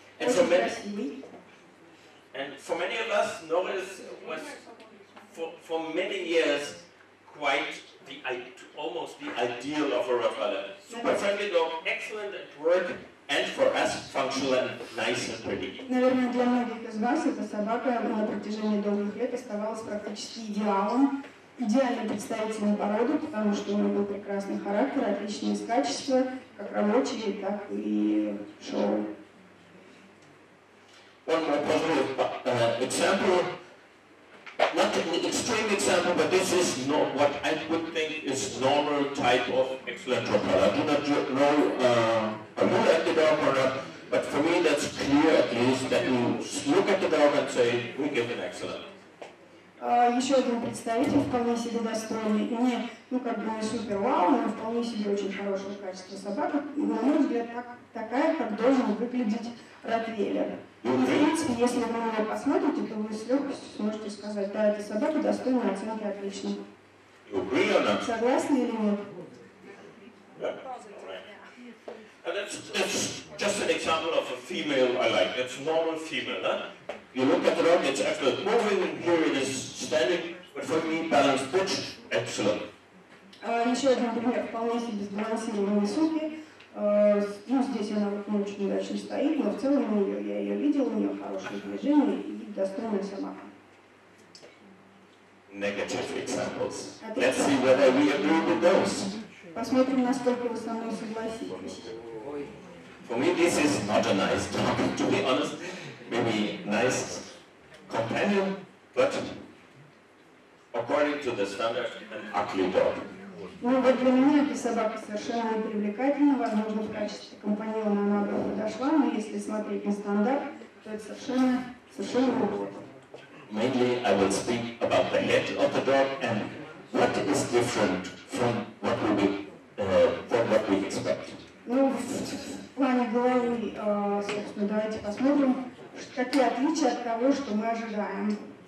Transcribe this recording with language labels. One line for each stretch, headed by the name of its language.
English: And so many. And for many of us, Norris was for many years quite almost the ideal of a Rottweiler. Super friendly dog, excellent at work, and for us, functional and nice and pretty.
Russian: Наверное, для многих из вас эта собака на протяжении долгих лет оставалась практически идеалом, идеальным представителем породы, потому что у нее был прекрасный характер, отличные качества, как рабочие, так и шоу.
English: One more positive example, not an extreme example, but this is not what I would think is normal type of excellent Rottweiler. I do not know how you like the dog or not, but for me that's clear at least that you look at the dog and say, we give an excellent.
Russian: еще один представитель, вполне себе достойный, и не, ну, как бы не супер вау, но вполне себе очень хорошего качества собака, и, на мой взгляд, такая, как должен выглядеть ротвейлер. И, в принципе, если вы его посмотрите, то вы с легкостью сможете сказать, да, эта собака достойна оценки отлично. Согласны или нет?
English: That's just an example of a female I like. That's a normal female, huh? You look at her, it's excellent. Moving here, it is standing, but for me, balanced pitch, excellent.
Russian: Еще один пример, вполне себе сбалансированные суки. Ну, здесь она не очень удачно стоит, но в целом у нее, я ее видел, у нее хорошее движение и достойная собака.
English: Negative examples. Let's see whether we agree with those.
Russian: Посмотрим, насколько вы со мной согласитесь.
English: For me, this is not a nice dog, to be honest. Maybe nice companion, but according to the standard, an ugly dog.
Russian: Ну вот для меня эта собака совершенно не привлекательна. Возможно, в качестве компаньона она бы подошла, но если смотреть на стандарт, то это совершенно неплохо.
English: Mainly, I will speak about the head of the dog and what is different from what we do.
Russian: Ну, в плане головы, собственно, давайте посмотрим, какие отличия от того, что мы ожидаем.